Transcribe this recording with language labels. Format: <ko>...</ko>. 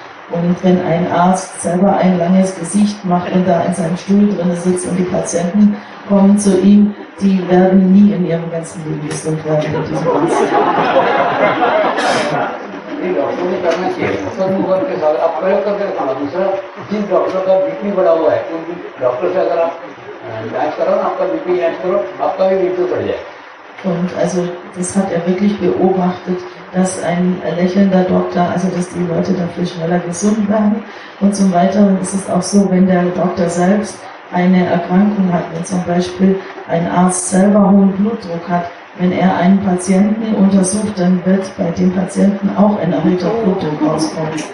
<de>Und wenn ein Arzt selber ein langes Gesicht macht und da in seinem Stuhl drin sitzt und die Patienten kommen zu ihm, die werden nie in ihrem ganzen Leben gesund werden.</de> <hi>जांच करो ना आपका BP जांच करो आपका भी BP बढ़ जाए</hi> <de>Und also das hat er wirklich beobachtet, dass ein lächelnder Doktor, also dass die Leute da viel schneller gesund werden und so weiter. Und es ist auch so, wenn der Doktor selbst eine Erkrankung hat, wenn zum Beispiel ein Arzt selber hohen Blutdruck hat, wenn er einen Patienten untersucht, dann wird bei dem Patienten auch ein erhöhter Blutdruck rauskommen.</de>